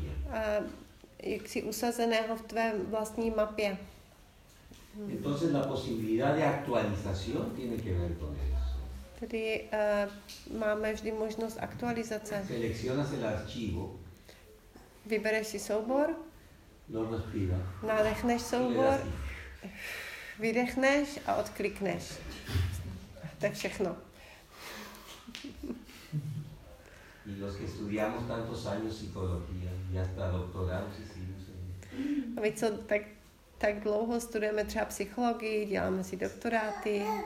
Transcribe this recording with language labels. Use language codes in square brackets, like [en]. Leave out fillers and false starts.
[cs] A jak jsi usazeného v tvé vlastní mapě. [es] Entonces la posibilidad de actualización tiene que ver con eso. [cs] Tedy máme vždy možnost aktualizace. [es] Seleccionas el archivo. [cs] Vybereš si soubor. [es] Lo respira. [cs] Nadechneš soubor. Vydechneš a odklikneš. To je všechno. [es] Y los que estudiamos tantos años psicología y hasta doctorados hicimos. [cs] A my co tak tak dlouho studujeme třeba psychologii, děláme si doktoráty.